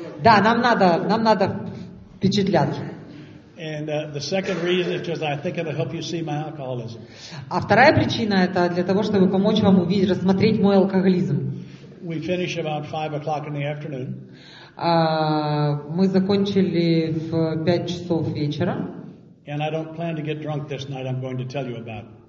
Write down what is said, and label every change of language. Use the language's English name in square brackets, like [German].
[Russian] Да, нам надо впечатляться. [English] And the second reason is just I think it'll help you see my alcoholism. [Russian] А вторая причина это для того, чтобы помочь вам увидеть, рассмотреть мой алкоголизм. [English] We finish about 5 o'clock in the afternoon. [Russian] Мы закончили в 5 часов вечера. [English] And I don't plan to get drunk this night. I'm going to tell you about.